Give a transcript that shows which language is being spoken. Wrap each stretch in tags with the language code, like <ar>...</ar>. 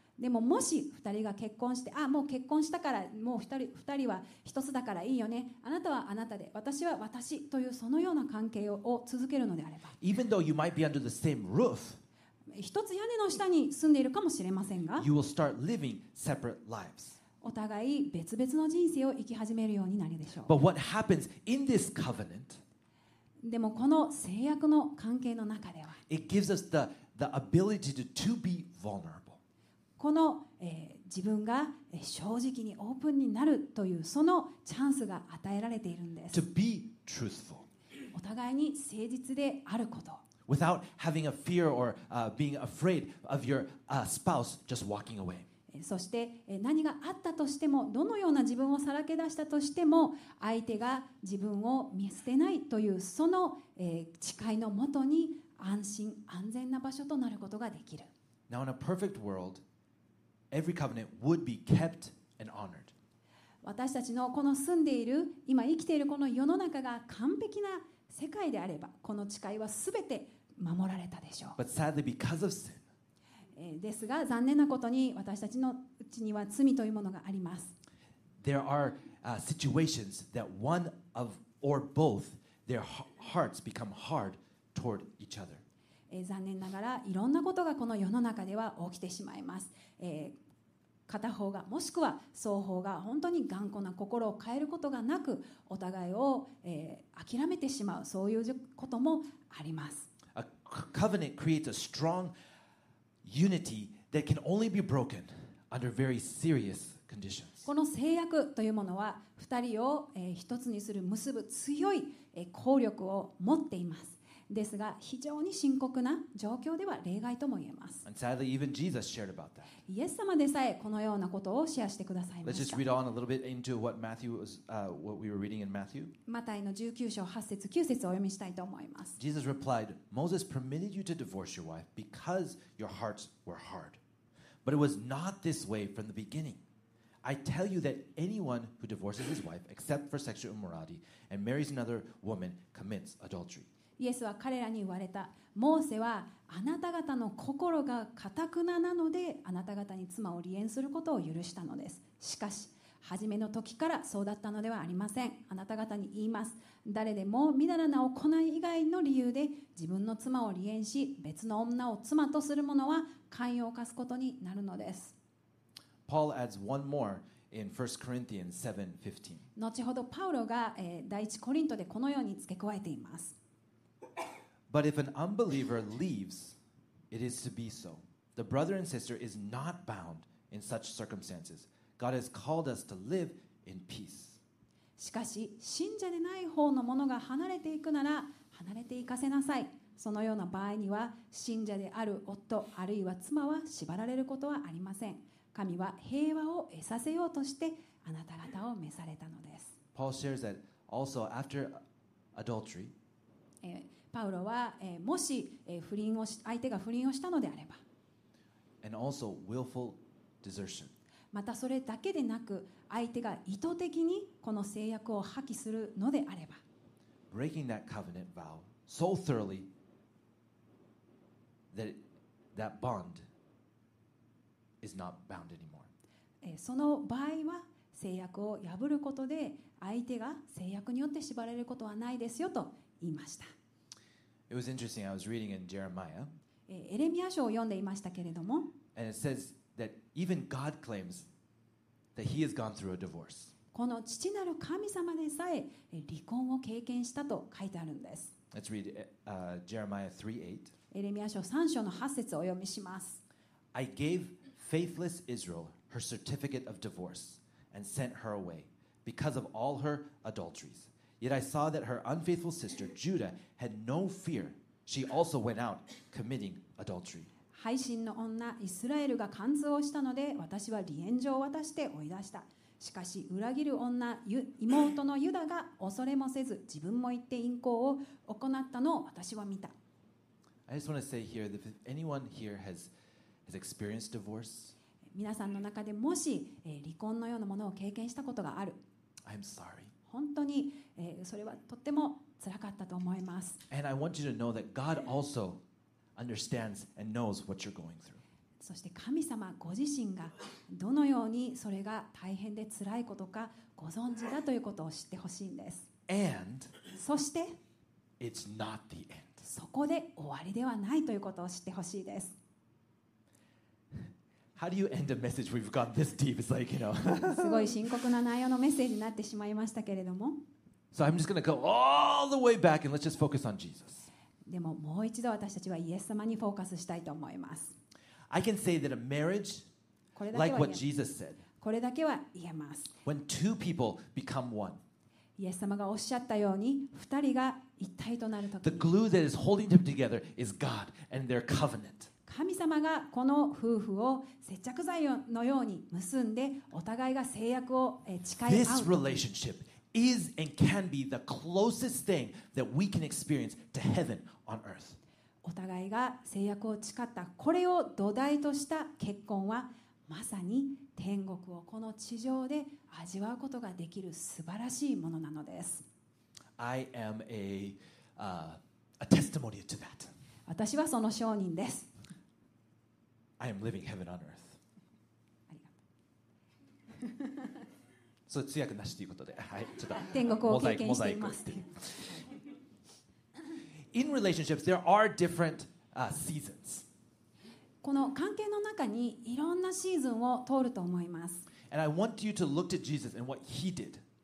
<ja>でももし2人が結婚してもう結婚したからもう2人は一つだからいいよねあなたはあなたで私は私というそのような関係を続けるのであれば</ja> <en>Even though you might be under the same roof,</en> <ja>一つ屋根の下に住んでいるかもしれませんが</ja> <en>you will start living separate lives.</en> <ja>お互い別々の人生を生き始めるようになるでしょう</ja> <en>But what happens in this covenant,</en> <ja>でもこの契約の関係の中では</ja> <en>It gives us the ability to be vulnerable.</en> <ja>この、自分が正直にオープンになるというそのチャンスが与えられているんです。</ja> <en>To be truthful.</en> <ja>お互いに誠実であること。</ja> <en>Without having a fear or being afraid of your spouse just walking away.</en> <ja>そして、何があったとしても、どのような自分をさらけ出したとしても、相手が自分を見捨てないというその、誓いのもとに安心安全な場所となることができる。</ja> <en>Now in a perfect world, every covenant would be kept and honored.</en> <ja>私たちのこの住んでいる今生きているこの世の中が完璧な世界であればこの誓いはすべて守られたでしょう。</ja> <en>But sadly, because of sin,</en> <ja>ですが残念なことに私たちのうちには罪というものがあります。</ja> <en>There are situations that one of or both their hearts become hard toward each other.</en> <ja>残念ながらいろんなことがこの世の中では起きてしまいます。片方がもしくは双方が本当に頑固な心を変えることがなくお互いを諦めてしまうそういうこともあります。</ja> <en>A covenant creates a strong unity that can only be broken under very serious conditions.</en> <ja>この契約というものは2人を一つにする結ぶ強い効力を持っています。ですが非常に深刻な状況では例外とも言えます。</ja> <en>And sadly, even Jesus shared about that.</en> <ja>イエス様でさえこのようなことをシェアしてくださいました。</ja> <en>Let's just read on a little bit into what Matthew was, what we were reading in Matthew.</en> <ja>マタイの19章8節9節をお読みしたいと思います。</ja> <en>Jesus replied, Moses permitted you to divorce your wife because your hearts were hard. But it was not this way from the beginning. I tell you that anyone who divorces his wife except for sexual immorality and marries another woman commits adultery.</en> <ja>イエスは彼らに言われた。モーセはあなた方の心が固くななのであなた方に妻を離縁することを許したのです。しかし初めの時からそうだったのではありません。あなた方に言います。誰でもみだらな行い以外の理由で自分の妻を離縁し別の女を妻とする者は関与を犯すことになるのです。</ja> <en>Paul adds one more. In 1 Corinthians 7:15.</en> <ja>後ほどパウロが第一コリントでこのように付け加えています。</ja> <en>But if an unbeliever leaves, it is to be so. The brother and sister is not bound in such circumstances. God has called us to live in peace.</en> <ja>しかし、信者でない方のものが離れていくなら、離れていかせなさい。そのような場合には、信者である夫あるいは妻は縛られることはありません。神は平和を得させようとしてあなた方を召されたのです。</ja> <en>Paul shares that also after adultery,</en> <ja>パウロはもし不倫を相手が不倫をしたのであれば、</ja> <en>and also willful desertion.</en> <ja>またそれだけでなく相手が意図的にこの契約を破棄するのであれば、</ja> <en>breaking that covenant vow so thoroughly that that bondis not bound anymore.</en> <ja>その場合は契約を破ることで相手が契約によって縛れることはないですよと言いました。</ja> <en>It was interesting. I was reading in Jeremiah.</en> <ja>エレミア書を読んでいましたけれども。</ja> <en>And it says that even God claims that he has gone through a divorce.</en> <ja>この父なる神様でさえ離婚を経験したと書いてあるんです。</ja> <en>Let's read Jeremiah 3:8.</en> <ja>エレミア書3章の8節をお読みします。</ja> <en>I gavefaithless Israel her certificate of divorce and sent her away because of all her adulteries. Yet I saw that her unfaithful sister Judah had no fear. She also went out committing adultery.</en> <ja>背信の女イスラエルが貫通をしたので私は離縁状を渡して追い出した。しかし裏切る女妹のユダが恐れもせず自分も行って淫行を行ったのを私は見た。</ja> <en>I just want to say here that if anyone here hasHas experienced divorce?</en> <ja>皆さんの中でもし離婚のようなものを経験したことがある。</ja> <en>I'm sorry.</en> <ja>本当にそれはとってもつらかったと思います。</ja> <en>And I want you to know that God also understands and knows what you're going through.</en> <ja>そして神様ご自身がどのようにそれが大変でつらいことかご存知だということを知ってほしいんです。</ja> <en>And</en> <ja>そして</ja> <en>It's not the end.</en> <ja>そこで終わりではないということを知ってほしいです。</ja> <en>How do you end a message we've got this deep? It's like, you know.</en> <ja>すごい深刻な内容のメッセージになってしまいましたけれども。</ja> <en>So I'm just going to go all the way back and let's just focus on Jesus.</en> <ja>でももう一度私たちはイエス様にフォーカスしたいと思います。</ja> <en>I can say that a marriage, like what Jesus said,</en> <ja>これだけは言えます。</ja> <en>When two people become one,</en> <ja>イエス様がおっしゃったように、二人が一体となるとき、</ja> <en>The glue that is holding them together is God and their covenant.</en> <ja>神様がこの夫婦を接着剤のように結んでお互いが契約を誓い合う。</ja> <en>This relationship is and can be the closest thing that we can experience to heaven on earth.</en> <ja>お互いが誓約を誓ったこれを土台とした結婚はまさに天国をこの地上で味わうことができる素晴らしいものなのです。</ja> <en>I am a testimony to that.</en> <ja>私はその証人です。</ja> <en>I am living heaven on earth.</en> <ja>ありがとうそう通訳なしということで、はい、ちょっと天国を経験しています</ja> <en>In relationships, there are different seasons.</en> <ja>この関係の中にいろんなシーズンを通ると思います。</ja> <en>And I want you to look to Jesus and what he did.</en>